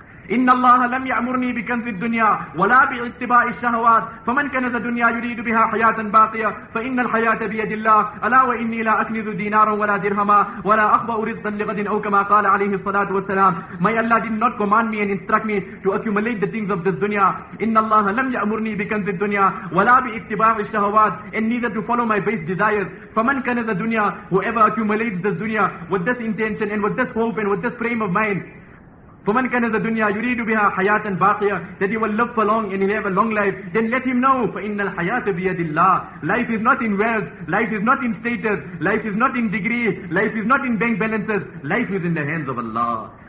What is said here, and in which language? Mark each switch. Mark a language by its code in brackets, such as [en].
[ar] إِنَّ اللَّهَ لَمْ يَعْمُرْنِي بِكَنْزِ الدُّنْيَا وَلَا بِاتِّبَاءِ الشَّهَوَاتِ فَمَنْ كَنَزَ الدُّنْيَا يُرِيدُ بِهَا حَيَاةً بَاقِيَةً فَإِنَّ الْحَيَاةَ بِيَدِ اللَّهِ أَلَا وَإِنِّي لَا أَكْنِزُ دِينَارًا وَلَا دِرْهَمًا وَلَا أَخْبَأُ رِزْقًا لِغَدٍ أَوْ كَمَا قَالَ عَلَيْهِ الصَّلَاةُ وَالسَّلَامُ. [en] My Allah did not command me and instruct me to accumulate the things of this dunya. [ar] إِنَّ اللَّهَ لَمْ يَأْمُرْنِي بِكَنْزِ الدُّنْيَا وَلَا بِاتِّبَاءِ الشَّهَوَاتِ, [en] and neither to follow my base desires. [ar] فَمَنْ كَنَزَ الدُّنْيَا, [en] whoever accumulates this dunya with this intention and with this hope and with this frame of mind, [ar] فَمَنْ كَنَزَ الدُّنْيَا يُرِيدُ بِهَا حَيَاةً بَاقِيَةً, [en] that he will live for long and he'll have a long life, then let him know, [ar] فَإِنَّ الْحَيَاةَ بِيَدِ اللَّهِ, [en] life is not in wealth, life is not in status, life is not in degree, life is not in bank balances, life is in the hands of Allah.